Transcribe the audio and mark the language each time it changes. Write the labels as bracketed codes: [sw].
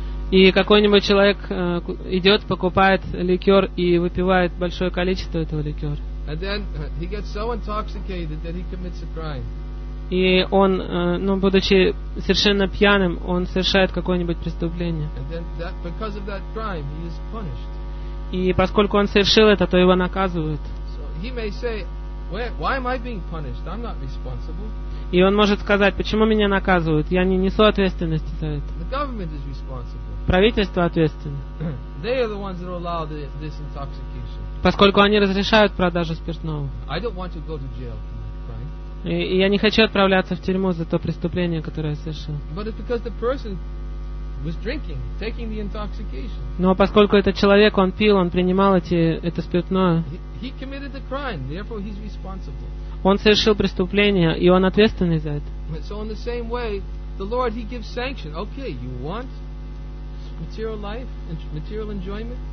[ru] И какой-нибудь человек идет, покупает ликер и выпивает большое количество этого ликера. [en] And then he gets so intoxicated that he commits a crime. [ru] И он, ну, будучи совершенно пьяным, он совершает какое-нибудь преступление. [en] And then that, because of that crime, he is punished. [ru] И поскольку он совершил это, то его наказывают. [en] So he may say, why am I being punished? I'm not responsible. [ru] И он может сказать, почему меня наказывают? Я не несу ответственности за это. [en] The government is responsible. [ru] Правительство ответственно. [en] They are the ones that allow this intoxication. [ru] Поскольку они разрешают продажу спиртного. [en] I don't want to go to jail, right? [ru] И я не хочу отправляться в тюрьму за то преступление, которое я совершил. [en] But it's because the person was drinking, taking the intoxication. [ru] Но поскольку этот человек, он пил, он принимал это спиртное. [en] He committed the crime, therefore he's responsible. [ru] Он совершил преступление, и он ответственный за это. [en] So in the same way, the Lord, he gives sanction. Okay, you want material life and material enjoyment?